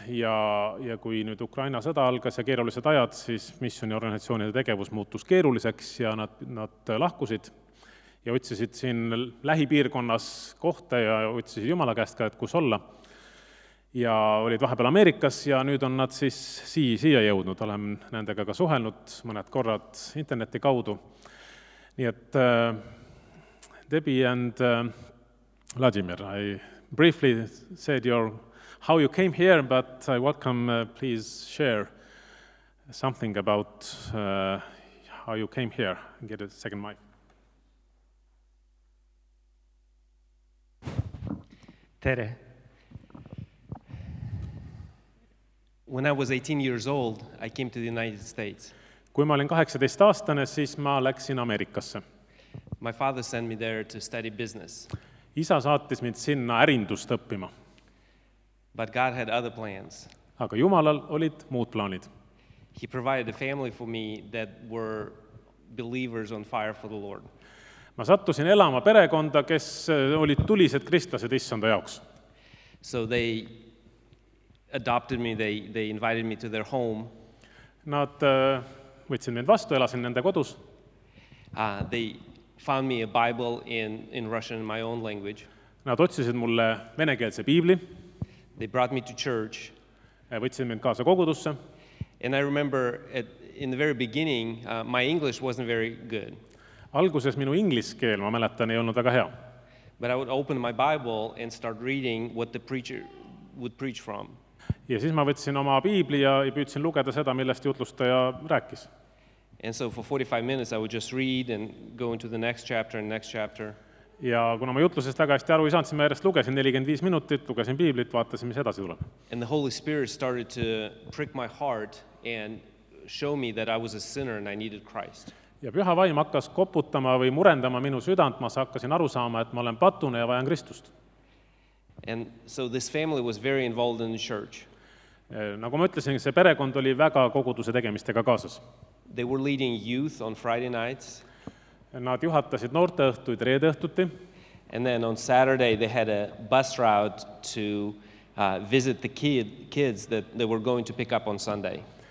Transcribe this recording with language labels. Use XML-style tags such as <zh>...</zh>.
<et>Ja kui nüüd Ukraina sõda algas ja keerulised ajad, siis missioniorganisatsioonide tegevus muutus keeruliseks ja nad lahkusid ja otsisid siin lähipiirkonnas kohta ja otsisid Jumala käest ka, et kus olla. Ja olid vahepeal Ameerikas ja nüüd on nad siis siia jõudnud. Olen nendega ka suhelnud mõned korrad interneti kaudu. Nii et</et> <en>Debi and Vladimir, I briefly said how you came here, but I welcome, please share something about how you came here. Get a second mic.</en> <et>Tere.</et> <en>When I was 18 years old, I came to the United States.</en> <et>Kui ma olin 18-aastane, siis ma läksin Ameerikasse.</et> <en>My father sent me there to study business.</en> <et>Isa saatis mind sinna ärindust õppima.</et> <en>But God had other plans.</en> <et>Aga Jumalal olid muud plaanid.</et> <en>He provided a family for me that were believers on fire for the Lord.</en> <et>Ma sattusin elama perekonda, kes olid tulised kristlased issanda jaoks.</et> <en>So they adopted me, they invited me to their home.</en> <et>Nad võtsin mind vastu, elasin nende kodus.</et> <en>They found me a Bible in Russian, in my own language.</en> <et>Nad otsisid mulle venekeelse piibli.</et> <en>They brought me to church.</en> <et>Võtsin mind kaasa kogudusse.</et> <en>And I remember in the very beginning, my English wasn't very good.</en> <et>Alguses minu ingliskeel, ma mäletan, ei olnud väga hea.</et> <en>But I would open my Bible and start reading what the preacher would preach from.</en> <et>Ja siis ma võtsin oma piibli ja püüdsin lugeda seda, millest jutlustaja rääkis.</et> <en>And so for 45 minutes I would just read and go into the next chapter and next chapter.</en> <et>Ja kuna ma jutlusest väga hästi aru ei saanud, siis ma järjest lugesin 45 minutit, lugesin piiblit, vaatasin, mis edasi tuleb.</et> <en>And the Holy Spirit started to prick my heart and show me that I was a sinner and I needed Christ.</en> <et>Ja püha vaim hakkas koputama või murendama minu südant, ma hakkasin aru saama, et ma olen patune ja vajan Kristust.</et> <en>And so this family was very involved in the church.</en> <et>Nagu ma ütlesin, see perekond oli väga koguduse tegemistega kaasas.</et> <en>They were leading youth on Friday nights.</en> <et>Nad juhatasid noorte õhtuid reede õhtuti.</et> <en>And then on Saturday they had a bus route to visit the kids that they were going to pick up on Sunday.</en>